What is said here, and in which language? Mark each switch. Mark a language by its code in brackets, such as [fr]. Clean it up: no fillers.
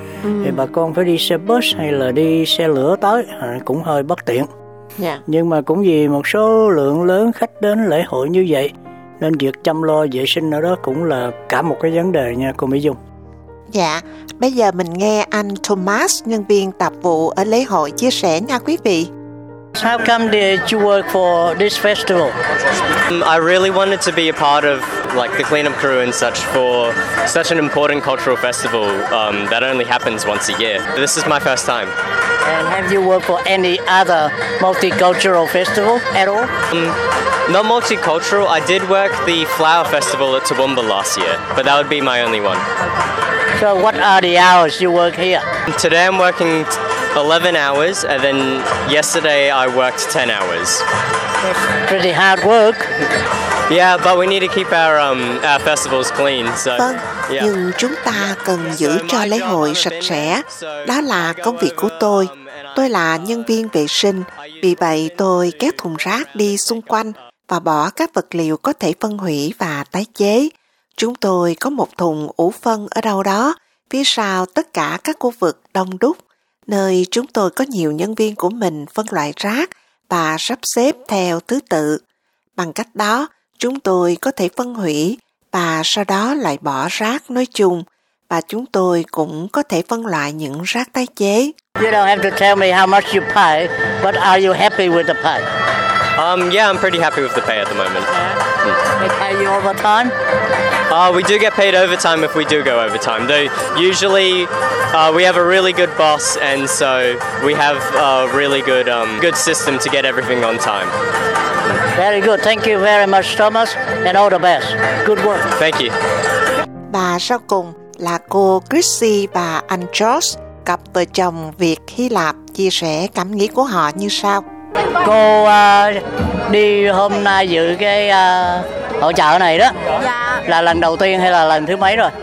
[vi] Thì bà con phải đi xe bus hay là đi xe lửa tới, cũng hơi bất tiện. Nhưng mà cũng vì một số lượng lớn khách đến lễ hội như vậy, nên việc chăm lo vệ sinh ở đó cũng là cả một cái vấn đề nha cô Mỹ Dung. Dạ, bây giờ mình nghe anh Thomas, nhân viên tạp vụ ở lễ hội chia sẻ nha quý vị. [en] How come did you work for this festival? I really wanted to be a part of like the cleanup crew and such for such an important cultural festival that only happens once a year. This is my first time. And have you worked for any other multicultural festival at all? Not multicultural. I did work the flower festival at Toowoomba last year, but that would be my only one. So what are the hours you work here? Today I'm working 11 hours, and then yesterday I worked 10 hours. That's pretty hard work. Yeah, but we need to keep our festivals clean. So, [vi] vâng, [en] yeah. [vi] Nhưng chúng ta cần giữ cho lễ hội sạch sẽ. Đó là công việc của tôi. Tôi là nhân viên vệ sinh, vì vậy tôi kéo thùng rác đi xung quanh và bỏ các vật liệu có thể phân hủy và tái chế. Chúng tôi có một thùng ủ phân ở đâu đó, phía sau tất cả các khu vực đông đúc, nơi chúng tôi có nhiều nhân viên của mình phân loại rác và sắp xếp theo thứ tự. Bằng cách đó, chúng tôi có thể phân hủy và sau đó lại bỏ rác nói chung, và chúng tôi cũng có thể phân loại những rác tái chế. [en] You don't have to tell me how much you pay, but are you happy with the pay? Yeah, I'm pretty happy with the pay at the moment. They pay you overtime? We do get paid overtime if we do go overtime. Though usually we have a really good boss, and so we have a really good system to get everything on time. Very good. Thank you very much, Thomas, and all the best. Good work. Thank you. [vi] Và sau cùng là cô Chrissy và anh Josh, cặp vợ chồng Việt Hy Lạp, chia sẻ cảm nghĩ của họ như sau. cô đi hôm nay dự cái hội chợ này đó. Dạ. Là lần đầu tiên hay là lần thứ mấy rồi?